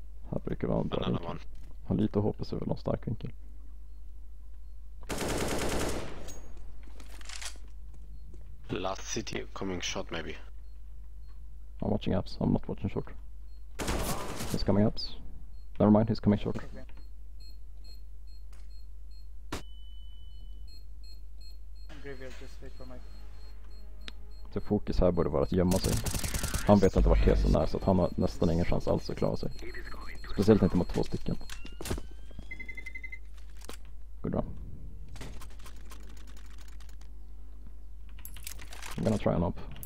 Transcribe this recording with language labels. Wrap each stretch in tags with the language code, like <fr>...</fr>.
<sv>Här brukar vara en bra vinkel. Har lite hopp så är väl någon stark vinkel.</sv> <en>Last city coming short maybe. I'm watching apps, I'm not watching short. He's coming apps. Never mind, he's coming short. Okay. Graveyard, just wait for my... The focus</en> <sv>här borde vara att gömma sig. Han vet inte vart Kesen är så att han har nästan ingen chans alls att klara sig. Speciellt inte mot två stycken.</sv> <en>Good run. I'm gonna try and up.</en>